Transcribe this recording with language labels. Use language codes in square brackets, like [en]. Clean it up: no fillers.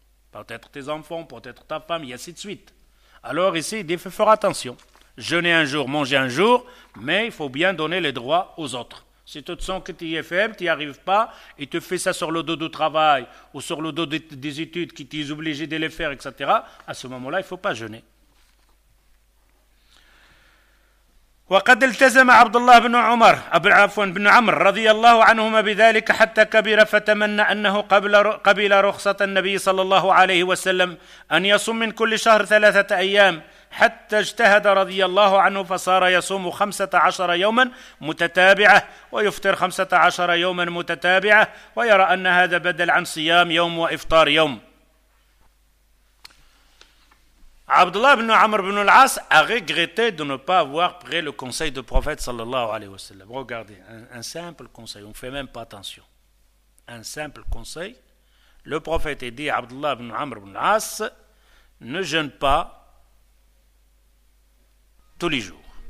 [fr] Peut-être tes enfants, peut-être ta femme, et ainsi de suite. Alors ici, il faut faire attention. Jeûner un jour, manger un jour, mais il faut bien donner les droits aux autres. Si tu te sens que tu es faible, tu n'y arrives pas, et tu fais ça sur le dos du travail, ou sur le dos des études, qui t'es obligé de les faire, etc., à ce moment-là, il ne faut pas jeûner. [ar] وقد التزم عبد الله بن عمر عفوا بن عمرو رضي الله عنهما بذلك حتى كبر فتمنى أنه قبل رخصة النبي صلى الله عليه وسلم أن يصوم من كل شهر 3 أيام حتى اجتهد رضي الله عنه فصار يصوم 15 يوما متتابعة ويفطر 15 يوما متتابعة ويرى أن هذا بدل عن صيام يوم وإفطار يوم. [fr] Abdullah ibn Amr ibn al-As a regretté de ne pas avoir pris le conseil du prophète sallallahu alayhi wa sallam. Regardez, un simple conseil, on ne fait même pas attention. Un simple conseil, le prophète a dit à Abdullah ibn Amr ibn al-As, ne jeûne pas tous les jours.